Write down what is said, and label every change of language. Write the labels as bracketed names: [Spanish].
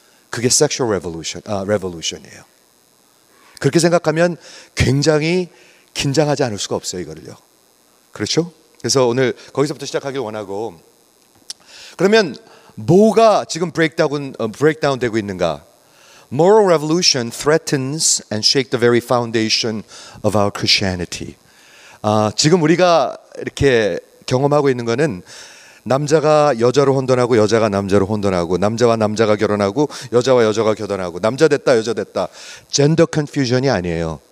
[Korean] 그게 sexual revolution, revolution이에요. 그렇게 생각하면 굉장히 긴장하지 않을 수가 없어요, 이거를요. 그렇죠? 그래서 오늘 거기서부터 시작하길 원하고 그러면 뭐가 지금 브레이크다운 되고 있는가? [English] Moral revolution threatens and shakes the very foundation of our Christianity. [Korean] 지금 우리가 이렇게 경험하고 있는 거는 남자가 여자로 혼돈하고 여자가 남자로 혼돈하고 남자와 남자가 결혼하고 여자와 여자가 결혼하고 남자 됐다 여자 됐다 젠더 컨퓨전이 아니에요.